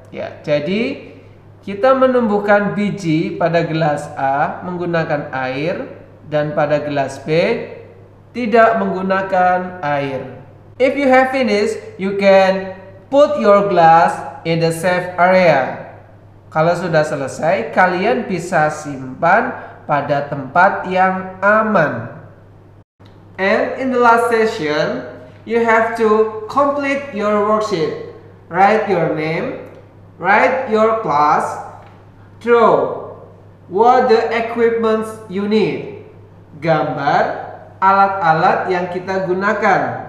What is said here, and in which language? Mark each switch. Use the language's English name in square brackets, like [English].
[Indonesian] Ya, jadi kita menumbuhkan biji pada gelas A menggunakan air dan pada gelas B tidak menggunakan air. [English] If you have finished, you can put your glass in the safe area. [Indonesian] Kalau sudah selesai, kalian bisa simpan pada tempat yang aman. [English] And in the last session, you have to complete your worksheet. Write your name, write your class, draw what the equipments you need. [Indonesian] Gambar alat-alat yang kita gunakan.